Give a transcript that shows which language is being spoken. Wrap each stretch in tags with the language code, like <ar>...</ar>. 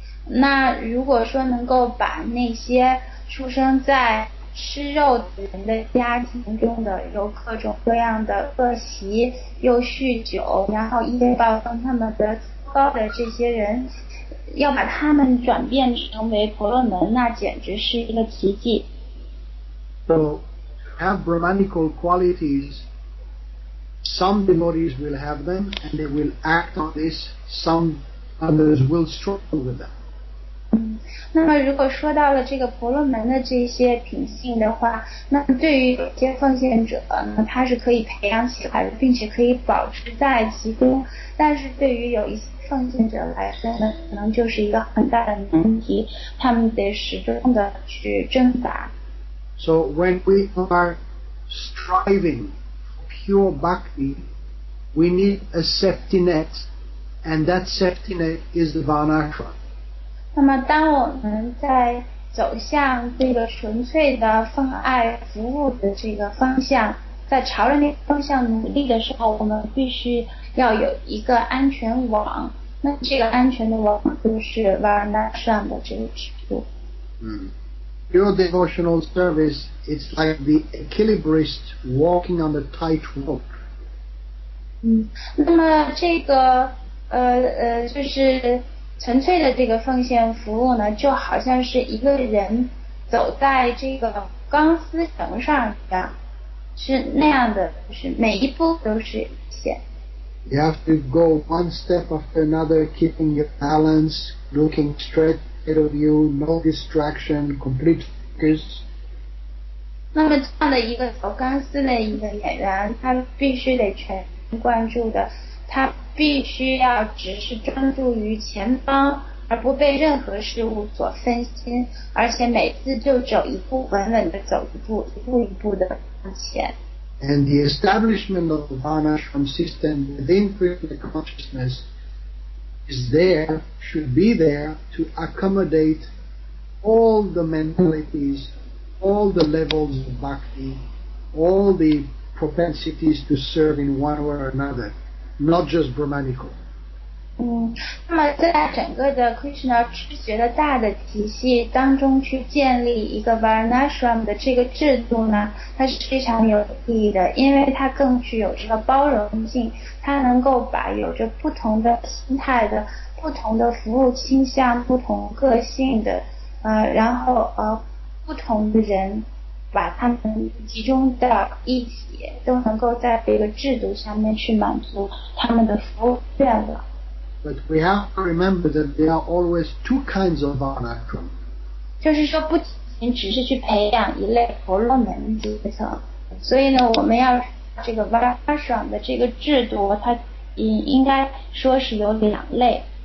<zh>那如果说能够把那些出生在吃肉的人的家庭中的有各种各样的恶习，又酗酒，然后业报让他们得高的这些人，要把他们转变成为婆罗门，那简直是一个奇迹。</zh> <en>So, have brahmanical qualities, some devotees will have them and they will act on this, some others will struggle with them.</en> <zh>那么如果说到了这个婆罗门的这些品性的话，那对于有些奉献者呢，他是可以培养起来的，并且可以保持在其中，但是对于有一些奉献者来说呢，可能就是一个很大的难题，他们得始终的去挣扎。</zh> <en>So when we are striving for pure bhakti, we need a safety net, and that safety net is the Varnashram.</en> <zh>那么当我们在走向这个纯粹的奉爱服务的这个方向，在朝着那个方向努力的时候，我们必须要有一个安全网，那这个安全的网就是 Varnashram 的这个制度。</zh> <en>Pure devotional service, it's like the equilibrist walking on the tight rope.</en> <zh>那么这个就是纯粹的这个奉献服务呢，就好像是一个人走在这个钢丝绳上一样，是那样的，就是每一步都是一线。</zh> <en>You have to go one step after another, keeping your balance, looking straight ahead of you, no distraction, complete focus.</en> <zh>那么这样的一个走钢丝的一个演员，他必须得全神贯注的，他必须要只是专注于前方，而不被任何事物所分心，而且每次就走一步，稳稳地走一步，一步一步地向前。</zh> <en>And the establishment of the Anashram system within Krishna consciousness is there, should be there, to accommodate all the mentalities, all the levels of bhakti, all the propensities to serve in one way or another, not just Brahmanical.</en> <zh>那么在整个的 Krishna 知觉的大的体系当中去建立一个 Varnashram 的这个制度呢，它是非常有意义的，因为它更具有这个包容性，它能够把有着不同的心态的、不同的服务倾向、不同个性的，然后不同的人，把他们集中到一起，都能够在这个制度上面去满足他们的服务愿望。</zh> <en>But we have to remember that there are always two kinds of Varnashram.</en> <zh>就是说不仅只是去培养一类婆罗门阶层，所以呢，我们要这个 Varnashram 的这个制度，它应该说是有两类。</zh>